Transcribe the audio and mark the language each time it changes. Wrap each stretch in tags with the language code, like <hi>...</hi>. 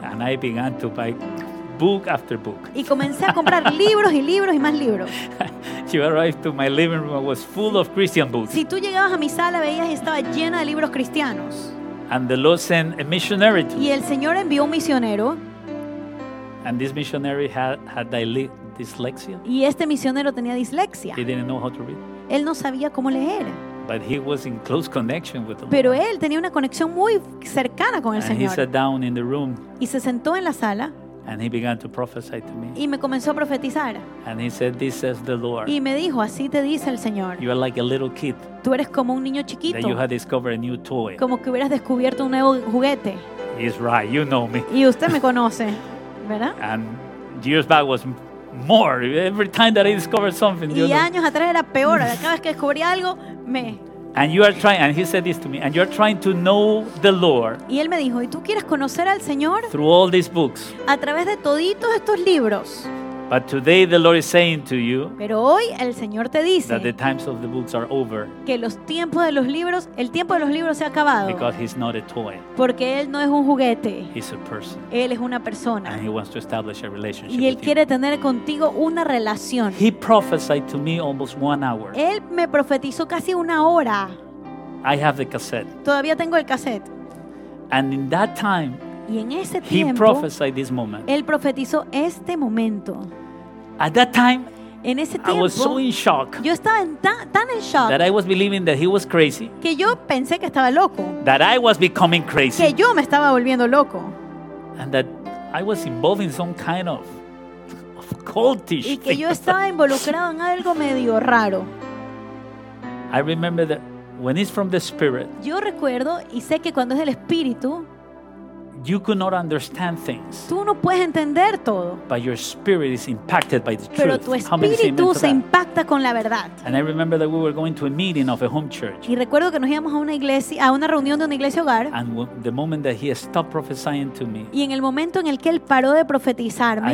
<en>And I began to buy book after book.</en> <es>Y comencé a comprar libros y libros y más libros.</es> <en>You arrived to my living room, I was full of Christian books.</en> <es>Si tú llegabas a mi sala, veías que estaba llena de libros cristianos.</es> <en>And the Lord sent a missionary to</en> <es>y el Señor envió un misionero.</es> <en>And this missionary had dyslexia.</en> <es>Y este misionero tenía dislexia.</es> <en>He didn't know how to read.</en> <es>Él no sabía cómo leer.</es> <en>But he was in close connection with the</en> <es>Pero</es> <en>Lord.</en> <es>Él tenía una conexión muy cercana con el</es> <en>And</en> <es>Señor.</es> <en>He sat down in the room.</en> <es>Y se sentó en la sala.</es> <en>And he began to prophesy to me.</en> <es>Y me comenzó a profetizar.</es> <en>And he said, "This says the Lord."</en> <es>Y me dijo, así te dice el Señor.</es> <en>You are like a little kid.</en> <es>Tú eres como un niño chiquito.</es> <en>That you had discovered a new toy.</en> <es>Como que hubieras descubierto un nuevo juguete.</es> <en>He's right. You know me.</en> <es>Y usted me conoce, ¿verdad?</es> <en>And years back was more. Every time that I discovered something.</en> <es>Y años atrás era peor. Cada vez que descubrí algo, me.</es> <en>And you are trying. And he said this to me. And you are trying to know the Lord.</en> <es>Y él me dijo, ¿y tú quieres conocer al Señor?</es> <en>Through all these books.</en> <es>A través de toditos estos libros.</es> <en>But today the Lord is saying to you.</en> <es>Pero hoy el Señor te dice.</es> <en>That the times of the books are over.</en> <es>Que los tiempos de los libros, el tiempo de los libros se ha acabado.</es> <en>Because he's not a toy.</en> <es>Porque él no es un juguete.</es> <en>He's a person.</en> <es>Él es una persona.</es> <en>And he wants to establish a relationship.</en> <es>Y él quiere tener contigo una relación.</es> <en>He prophesied to me almost 1 hour.</en> <es>Él me profetizó casi una hora.</es> <en>I have the cassette.</en> <es>Todavía tengo el cassette.</es> <en>And in that time.</en> <es>Y en ese tiempo,</es> <en>he prophesied this moment.</en> <es>Él profetizó este momento.</es> <en>At that time,</en> <es>en ese tiempo,</es> <en>I was so in shock.</en> <es>Yo estaba tan en shock.</es> <en>That I was believing that he was crazy.</en> <es>Que yo pensé que estaba loco.</es> <en>That I was becoming crazy.</en> <es>Que yo me estaba volviendo loco.</es> <en>And that I was involved in some kind of cultish.</en> <es>Y que yo estaba involucrado en algo medio raro.</es> <en>I remember that when it's from the Spirit.</en> <es>Yo recuerdo y sé que cuando es del Espíritu.</es> <en>You could not understand things.</en> <es>Tú no puedes entender todo.</es> <en>But your spirit is impacted by the</en> <es>Pero</es> <en>truth.</en> <es>Tu espíritu se impacta con la verdad.</es> <en>And I remember that we were going to a meeting of a home church.</en> <es>Y recuerdo que nos íbamos a una iglesia, a una reunión de una iglesia hogar.</es> <en>And the moment that he stopped prophesying to me.</en> <es>Y en el momento en el que él paró de profetizarme.</es>